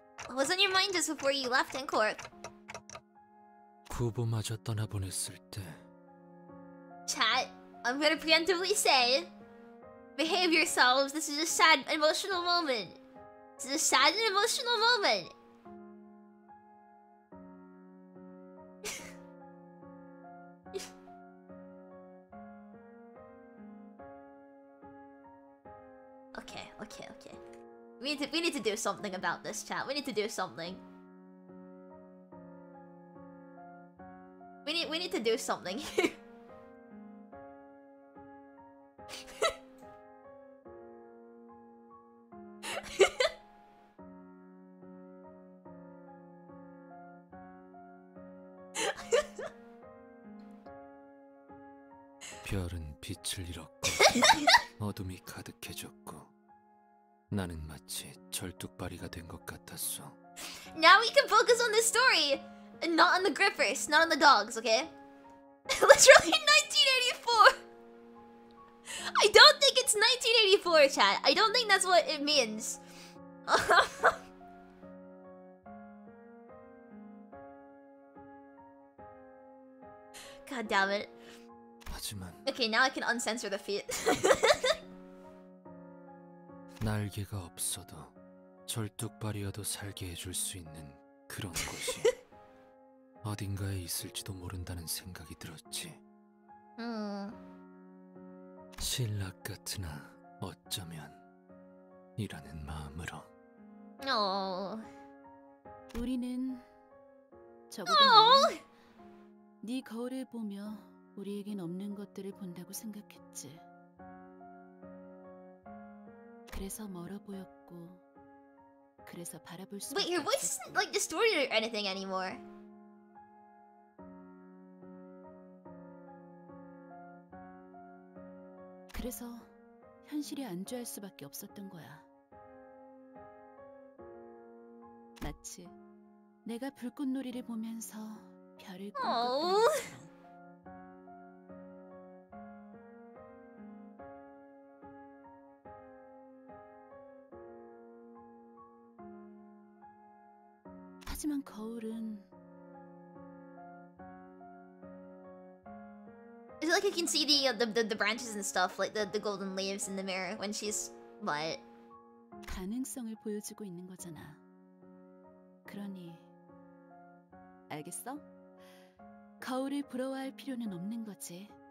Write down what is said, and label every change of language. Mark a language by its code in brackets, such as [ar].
[en] Was on your mind just before you left in court. [ko] 구보마저 떠나보냈을 때. [en] Chat, I'm gonna preemptively say. Behave yourselves. This is a sad, emotional moment. This is a sad and emotional moment. Okay, okay, okay. We need to do something about this, chat. We need to do something. We need to do something here. [ko] 별은 빛을 잃었고 어둠이 가득해졌고 나는 마치 절뚝발이가 된 것 같았어. [en] Now we can focus on the story, and not on the grippers, not on the dogs, okay? Literally 1984! I don't think it's 1984, chat. I don't think that's what it means. God damn it. [ko] 하지만... [en] Okay, now I can uncensor the feet. [ko] 날개가 없어도 절뚝발이어도 살게 해줄 수 있는 그런 곳이 어딘가에 있을지도 모른다는 생각이 들었지. 신락 같으나 어쩌면 이라는 마음으로. 어. 우리는 네 거울을 보며 우리에겐 없는 것들을 본다고 생각했지. 그래서 멀어 보였고, 그래서 바라볼 수. [en] Wait, your voice isn't like distorted or anything anymore. [ko] 그래서 현실이 안주할 수밖에 없었던 거야. 마치 내가 불꽃놀이를 보면서 별을 꿈꿨던 것처럼. 하지만 거울은 [en] It's like I can see the branches and stuff, like the golden leaves in the mirror when she's what? [ko] 가능성을 보여주고 있는 거잖아. 그러니 알겠어? 거울을 부러워할 필요는 없는 거지.